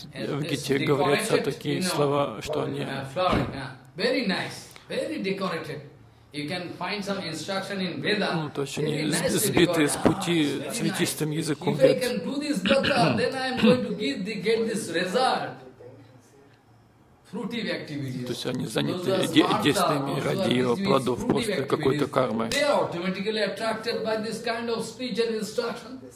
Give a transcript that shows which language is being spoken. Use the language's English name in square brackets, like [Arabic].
[Russian] В Гите говорятся такие слова, что они. [English] Very nice, very decorated. You can find some instruction in Veda. [Russian] Ну, то есть они сбиты с пути цветистым языком. [English] If I can do this Gita, then I am going to get this result. Fruitive activities. [Russian] То есть они заняты действиями ради его плодов после какой-то кармы. [English] They are automatically attracted by this kind of speech and instruction.